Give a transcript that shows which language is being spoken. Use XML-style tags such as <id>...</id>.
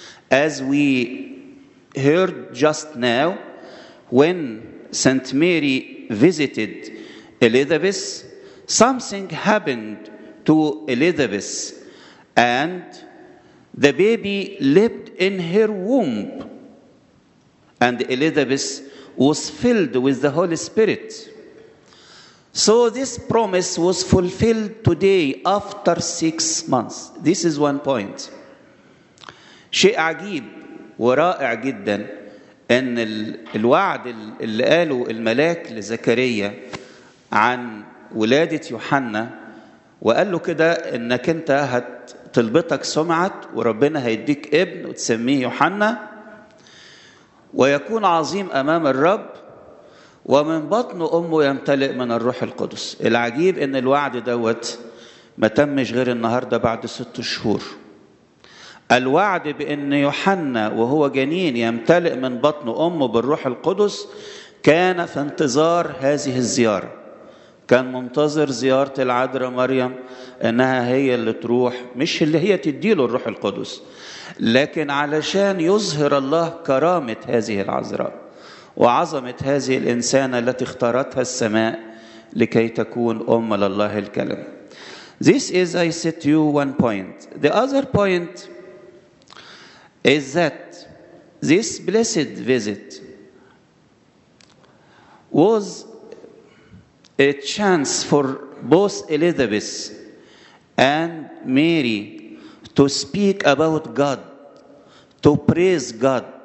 <en>As we heard just now, when Saint Mary visited Elizabeth, something happened to Elizabeth, and the baby lived in her womb, and Elizabeth was filled with the Holy Spirit. So this promise was fulfilled today after 6 months. This is one point.</en> <ar>شيء عجيب ورائع جدا ان الوعد اللي قاله الملاك لزكريا عن ولادة يوحنا وقال له كده انك انت هتلبطك سمعة وربنا هيديك ابن وتسميه يوحنا ويكون عظيم امام الرب ومن بطن امه يمتلئ من الروح القدس. العجيب ان الوعد دوت ما تمش غير النهاردة بعد 6 شهور. الوعد بأن يوحنا وهو جنين يمتلئ من بطن أمه بالروح القدس كان في انتظار هذه الزيارة. كان منتظر زيارة العذراء مريم أنها هي اللي تروح، مش اللي هي تديله الروح القدس، لكن علشان يظهر الله كرامة هذه العذراء وعظمة هذه الإنسانة التي اختارتها السماء لكي تكون أم لله الكلمة.</ar> <en>This is, I said to you, one point. The other point is that this blessed visit was a chance for both Elizabeth and Mary to speak about God, to praise God.</en>